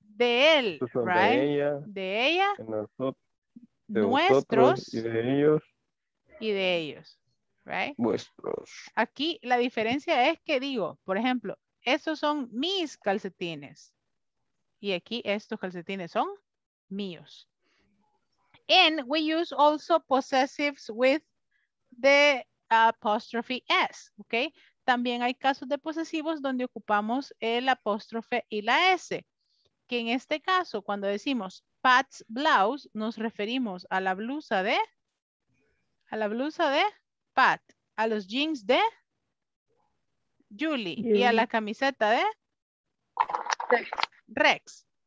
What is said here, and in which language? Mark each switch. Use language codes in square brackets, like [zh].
[es] De él, [en] right? [es] De ella. De nosotros. Nuestros. Y de ellos. y de ellos, [en] right? [es] Vuestros. Aquí la diferencia es que digo, por ejemplo, esos son mis calcetines. Y aquí estos calcetines son míos. [en] And we use also possessives with the apostrophe S, okay? [es] También hay casos de posesivos donde ocupamos el apóstrofe y la S. Que en este caso, cuando decimos [en] Pat's blouse, [es] nos referimos a la blusa de, a la blusa de Pat, a los jeans de Julie, y a la camiseta de Rex.